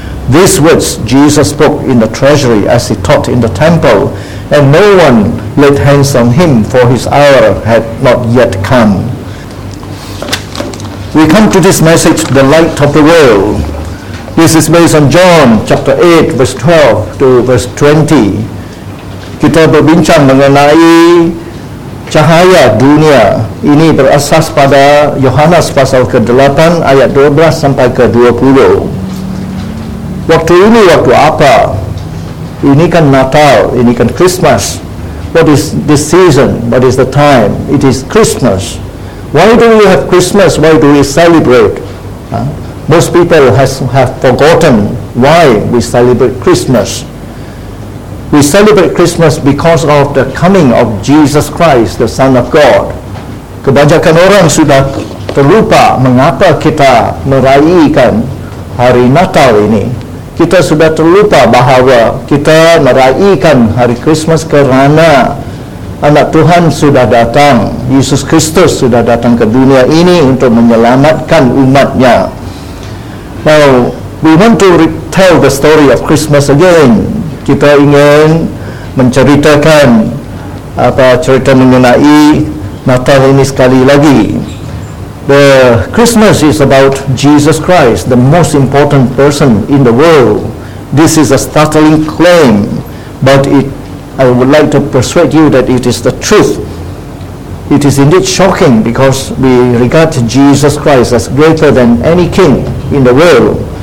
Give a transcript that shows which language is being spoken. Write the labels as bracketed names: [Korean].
[English] These words Jesus spoke in the treasury as he taught in the temple, and no one laid hands on him, for his hour had not yet come. We come to this message, the light of the world. This is based on John chapter 8 verse 12 to verse 20. [Malay] Kita berbincang mengenai cahaya dunia. Ini berasas pada Yohanes pasal ke-8 ayat 12 sampai ke-20. Waktu ini waktu apa? Ini kan Natal, ini kan Christmas. [English] What is this season? What is the time? It is Christmas. Why do we have Christmas? Why do we celebrate? Most people have forgotten why we celebrate Christmas. We celebrate Christmas because of the coming of Jesus Christ, the Son of God. [Malay] Kebanyakan orang sudah terlupa mengapa kita meraihkan hari Natal ini. Kita sudah terlupa bahawa kita meraihkan hari Christmas kerana Anak Tuhan sudah datang, Yesus Kristus sudah datang ke dunia ini untuk menyelamatkan umatnya. [English] Now, we want to tell the story of Christmas again. [Malay] Kita ingin menceritakan apa cerita mengenai Natal ini sekali lagi. [English] The Christmas is about Jesus Christ, the most important person in the world. This is a startling claim, but I would like to persuade you that it is the truth. It is indeed shocking because we regard Jesus Christ as greater than any king in the world.